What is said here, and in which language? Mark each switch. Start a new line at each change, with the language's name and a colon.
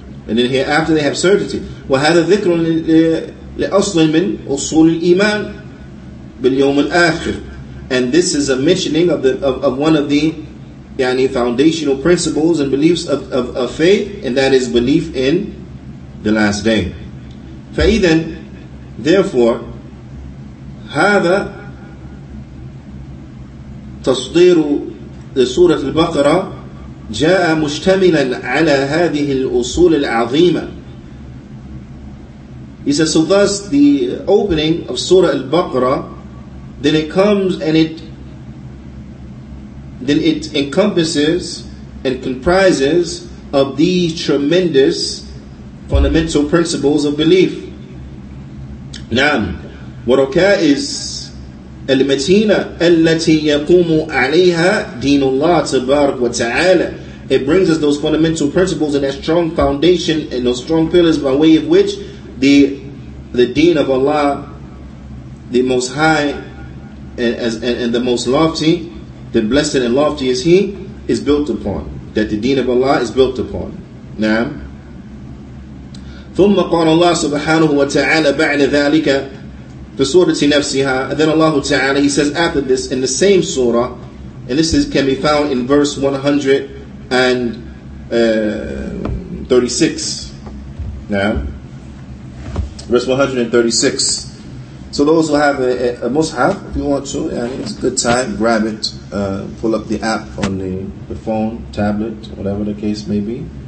English: And in the hereafter, they have certainty.
Arabic: وَهَذَا ذِكْرٌ لِأَصْلٍ مِنْ أُصُولِ الْإِيمَانِ بِالْيَوْمِ الْآخِرِ.
English: And this is a mentioning of one of the يعني, foundational principles and beliefs of faith, and that is belief in the last day.
Arabic: فَإِذَا, therefore, هَذَا تَصْدِيرُ سورة البقرة جاء مشتملا على هذه الأصول العظيمة.
English: He says, so thus the opening of Surah Al-Baqarah, then it comes and it encompasses and comprises of these tremendous fundamental principles of belief.
Arabic: نعم وركاء المتينة التي يقوم عليها دين الله تبارك وتعالى.
English: It brings us those fundamental principles and that strong foundation and those strong pillars by way of which the deen of Allah, the Most High and the Most Lofty, the Blessed and Lofty is He, is built upon. That the deen of Allah is built upon.
Arabic: نعم. ثم قال الله سبحانه وتعالى بعد ذلك في سورة نفسها.
English: And then Allah Ta'ala, He says after this in the same surah, and this is, can be found in verse 136. Now, verse 136. So those who have a mushaf, if you want to, yeah, it's a good time, grab it, pull up the app on the phone, tablet, whatever the case may be.